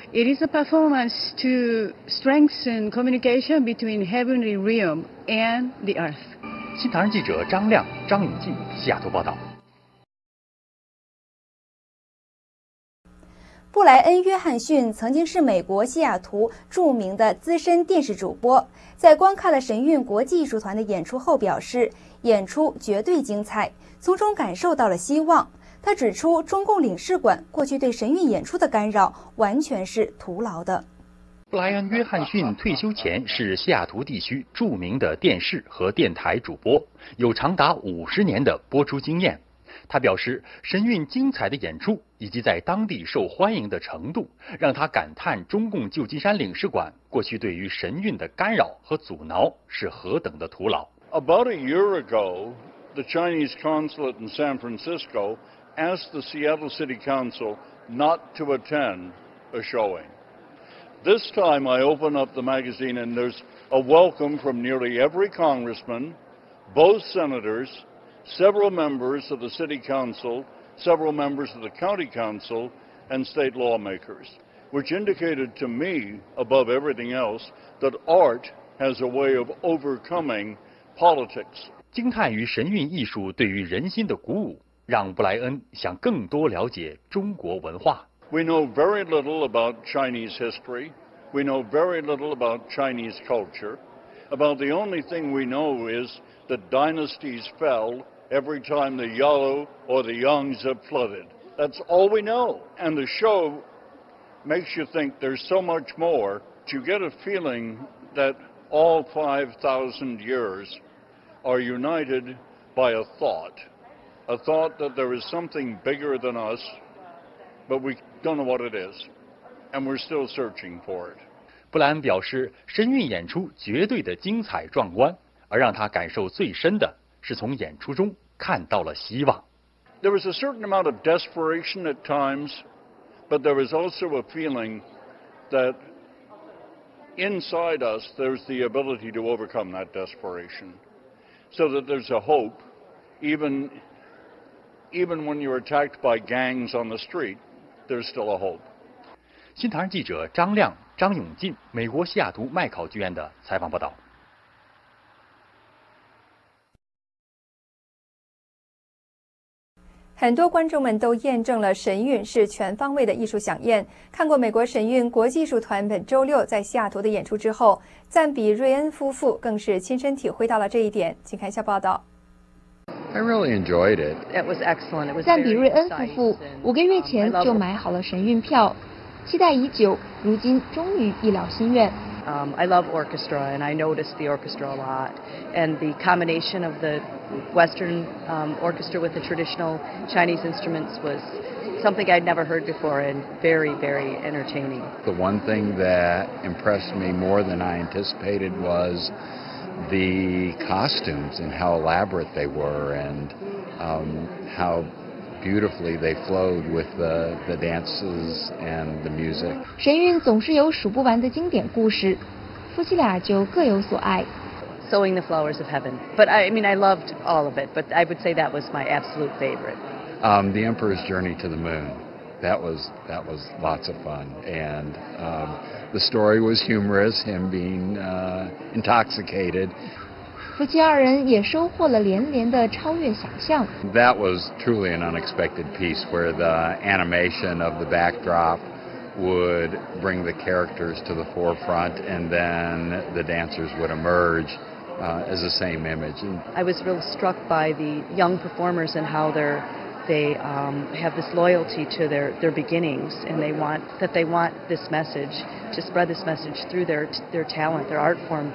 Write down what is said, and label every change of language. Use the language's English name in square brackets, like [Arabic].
[English] It is a performance to strengthen communication between heavenly realm and the earth. [Chinese] 新唐人记者张亮、张永进，西雅图报道。布莱恩·约翰逊曾经是美国西雅图著名的资深电视主播，在观看了神韵国际艺术团的演出后表示，演出绝对精彩，从中感受到了希望。他指出，中共领事馆过去对神韵演出的干扰完全是徒劳的。布莱恩·约翰逊退休前是西雅图地区著名的电视和电台主播，有长达50年的播出经验。他表示，神韵精彩的演出以及在当地受欢迎的程度，让他感叹中共旧金山领事馆过去对于神韵的干扰和阻挠是何等的徒劳。 [English] About a year ago, the Chinese consulate in San Francisco asked the Seattle City Council not to attend a showing. This time I open up the magazine and there's a welcome from nearly every congressman, both senators,Several members of the city council, several members of the county council, and state lawmakers, which indicated to me, above everything else, that art has a way of overcoming politics. [Chinese] 惊叹于神韵艺术对于人心的鼓舞，让布莱恩想更多了解中国文化。 [English] We know very little about Chinese history. We know very little about Chinese culture. About the only thing we know is that dynasties fell. Every time the Yellow or the Yangtze have flooded. That's all we know. And the show makes you think there's so much more. You get a feeling that all 5,000 years are united by a thought. A thought that there is something bigger than us, but we don't know what it is. And we're still searching for it. [Chinese] 布莱恩表示，神韵演出绝对的精彩壮观，而让他感受最深的是从演出中看到了希望。 [English] There was a certain amount of desperation at times, but there was also a feeling that inside us there's the ability to overcome that desperation, so that there's a hope, even when you're attacked by gangs on the street, there's still a hope. [Chinese] 新唐人记者张亮、张永进，美国西雅图麦考剧院的采访报道。很多观众们都验证了神韵是全方位的艺术飨宴。看过美国神韵国际艺术团本周六在西雅图的演出之后，赞比瑞恩夫妇更是亲身体会到了这一点。请看一下报道。 [English] I really enjoyed it. It was excellent. [Chinese] 赞比瑞恩夫妇5个月前就买好了神韵票，期待已久，如今终于一了心愿。 [English] I love orchestra, and I noticed the orchestra a lot. And the combination of the Western orchestra with the traditional Chinese instruments was something I'd never heard before and very, very entertaining. The one thing that impressed me more than I anticipated was the costumes and how elaborate they were and how beautifully they flowed with the dances and the music. [Chinese] 神韵总是有数不完的经典故事，夫妻俩就各有所爱。 [English] Sowing the Flowers of Heaven, but I mean, I loved all of it, but I would say that was my absolute favorite. The Emperor's Journey to the Moon, that was lots of fun, and the story was humorous, him being intoxicated. [Chinese] 夫妻二人也收获了连连的超越想象。 [English] That was truly an unexpected piece where the animation of the backdrop would bring the characters to the forefront and then the dancers would emerge as the same image. And I was real struck by the young performers and how they have this loyalty to their beginnings, and they want this message, to spread this message through their talent, their art form.